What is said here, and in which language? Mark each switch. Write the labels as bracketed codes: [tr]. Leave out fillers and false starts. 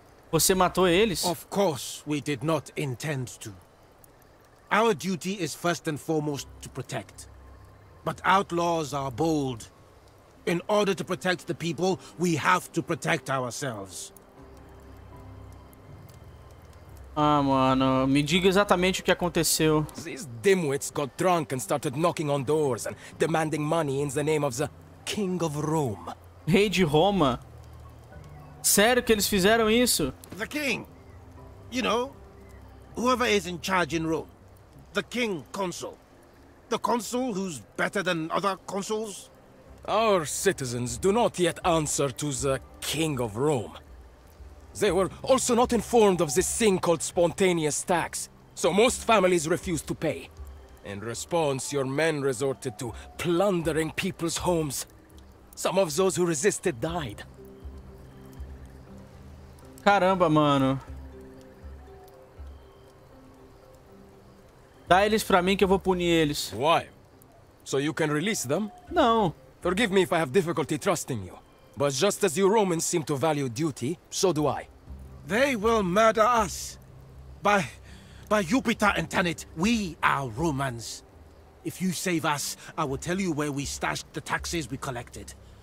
[pt] Você matou eles? [en] Of course, we did not intend to. Our duty is first and foremost to protect. But outlaws are bold. In order to protect the people, we have to protect ourselves. [pt] Ah, mano, me diga exatamente o que aconteceu. [en] These dimwits got drunk and started knocking on doors and demanding money in the name of the King of Rome. [pt] Rei de Roma? Sério que eles fizeram isso? [en] The king. You know, whoever is in charge in Rome. The king consul. The consul who's better than other consuls. Our citizens do not yet answer to the King of Rome. They were also not informed of this thing called spontaneous tax, so most families refused to pay. In response, your men resorted to plundering people's homes. Some of those who resisted died. [pt] Caramba, mano. Dá eles pra mim que eu vou punir eles. [en] Why? So you can release them? [pt] Não. [en] Forgive me if I have difficulty trusting you. But just as you Romans seem to value duty, so do I. They will murder us. By Jupiter and Tanit, we are Romans. If you save us, I will tell you where we stashed the taxes we collected.